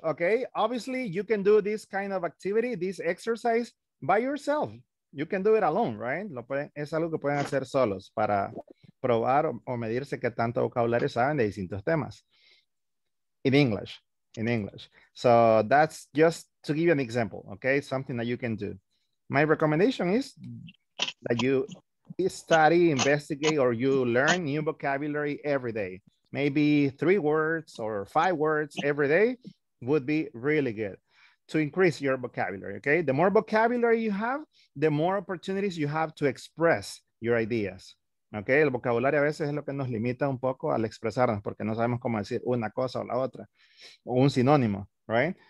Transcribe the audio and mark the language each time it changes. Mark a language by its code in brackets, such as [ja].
[en] Okay, obviously, you can do this kind of activity, this exercise by yourself. You can do it alone, right? [es] Es algo que pueden hacer solos para probar o medirse qué tanto vocabulario saben de distintos temas. [en] In English. So that's just to give you an example, okay? Something that you can do. My recommendation is that you study, investigate, or you learn new vocabulary every day. Maybe 3 words or 5 words every day would be really good to increase your vocabulary, okay? The more vocabulary you have, the more opportunities you have to express your ideas, okay? [es] El vocabulario a veces es lo que nos limita un poco al expresarnos porque no sabemos cómo decir una cosa o la otra, o un sinónimo, right?